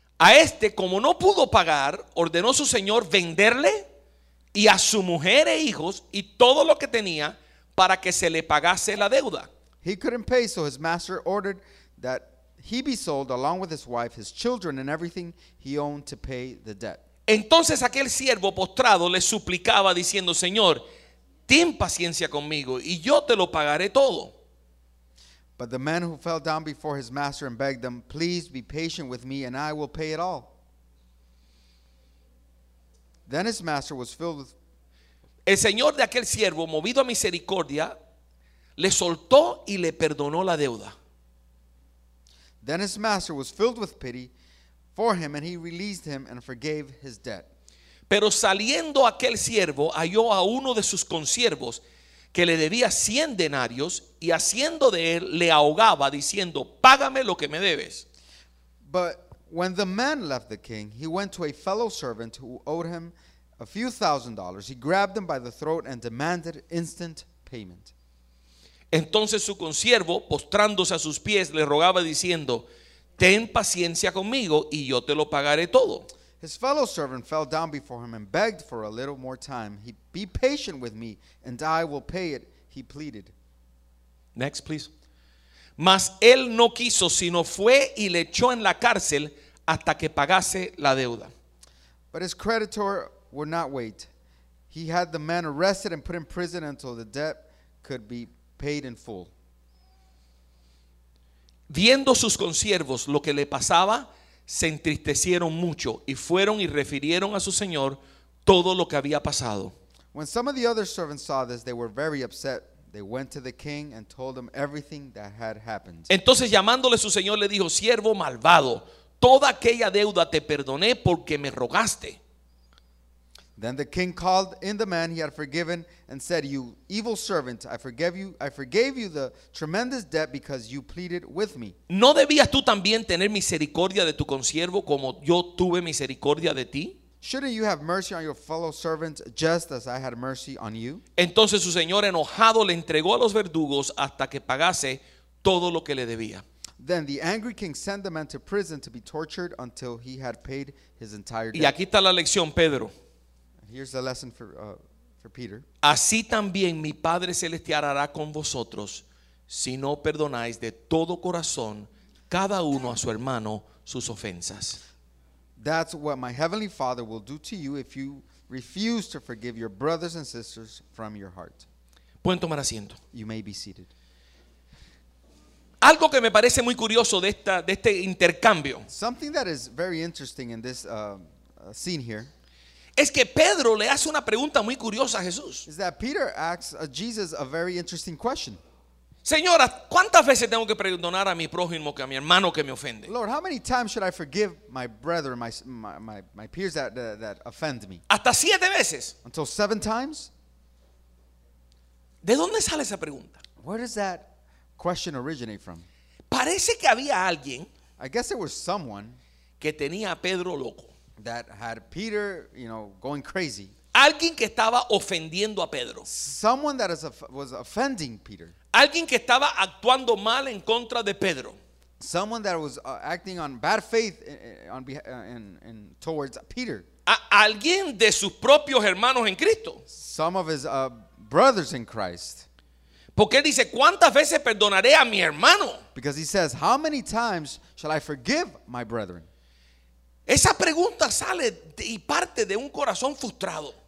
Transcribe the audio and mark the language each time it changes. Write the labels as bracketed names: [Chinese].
[Spanish] A este, como no pudo pagar, ordenó su señor venderle y a su mujer e hijos y todo lo que tenía para que se le pagase la deuda. [English] He couldn't pay, so his master ordered that he be sold along with his wife, his children, and everything he owned to pay the debt. [Spanish] Entonces aquel siervo postrado le suplicaba diciendo, Señor, ten paciencia conmigo y yo te lo pagaré todo. [English] But the man who fell down before his master and begged him, please be patient with me and I will pay it all. Then his master was filled with... [Spanish] El señor de aquel siervo, movido a misericordia, le soltó y le perdonó la deuda. [English] Then his master was filled with pity for him and he released him and forgave his debt. [Spanish] Pero saliendo aquel siervo halló a uno de sus consiervos que le debía 100 denarios y haciendo de él le ahogaba diciendo, págame lo que me debes. [English] But when the man left the king, he went to a fellow servant who owed him a few $1,000. He grabbed him by the throat and demanded instant payment. [Spanish] Entonces su consiervo, postrándose a sus pies, le rogaba diciendo, ten paciencia conmigo y yo te lo pagaré todo. [English] His fellow servant fell down before him and begged for a little more time. He, be patient with me and I will pay it, he pleaded. Next, please. [Spanish] Mas él no quiso, sino fue y le echó en la cárcel hasta que pagase la deuda. [English] But his creditor would not wait. He had the man arrested and put in prison until the debt could be paid in full. [Spanish] Viendo sus consiervos lo que le pasaba, se entristecieron mucho y fueron y refirieron a su señor todo lo que había pasado. [English] When some of the other servants saw this, they were very upset. They went to the king and told him everything that had happened. [Spanish] Entonces llamándole su señor le dijo, siervo malvado, toda aquella deuda te perdoné porque me rogaste. [English] Then the king called in the man he had forgiven and said, you evil servant, I forgave you the tremendous debt because you pleaded with me. [Spanish] ¿No debías tú también tener misericordia de tu consiervo como yo tuve misericordia de ti? [English] Shouldn't you have mercy on your fellow servant just as I had mercy on you? [Spanish] Entonces su señor enojado le entregó a los verdugos hasta que pagase todo lo que le debía. [English] Then the angry king sent the man to prison to be tortured until he had paid his entire debt. [Spanish] Y aquí está la lección, Pedro. [English] Here's the lesson for Peter. [Spanish] Así también mi Padre Celestial hará con vosotros si no perdonáis de todo corazón cada uno a su hermano sus ofensas. [English] That's what my Heavenly Father will do to you if you refuse to forgive your brothers and sisters from your heart. [Spanish] Pueden tomar asiento. [English] You may be seated. [Spanish] Algo que me parece muy curioso de este intercambio. [English] Something that is very interesting in this scene here. [Spanish] Es que Pedro le hace una pregunta muy curiosa a Jesús. [English] Is that Peter asks Jesus a very interesting question. [Spanish] Señora, ¿cuántas veces tengo que perdonar a mi prójimo, que a mi hermano que me ofende? [English] Lord, how many times should I forgive my brother, my peers that offend me? [Spanish] ¿Hasta 7 veces? [English] Until 7 times? [Spanish] ¿De dónde sale esa pregunta? [English] Where does that question originate from? [Spanish] Parece que había alguien. [English] I guess there was someone. [Spanish] Que tenía a Pedro loco. [English] That had Peter, you know, going crazy. [Spanish] Alguien que estaba ofendiendo a Pedro. [English] Someone that was offending Peter. [Spanish] Alguien que estaba actuando mal en contra de Pedro. [English] Someone that was acting on bad faith in towards Peter. [Spanish] a alguien de sus propios hermanos en Cristo. [English] Some of his brothers in Christ. [Spanish] Porque él dice, ¿cuántas veces perdonaré a mi hermano? [English] Because he says, how many times shall I forgive my brethren? [Spanish] Esa pregunta sale de, y parte de un corazón frustrado.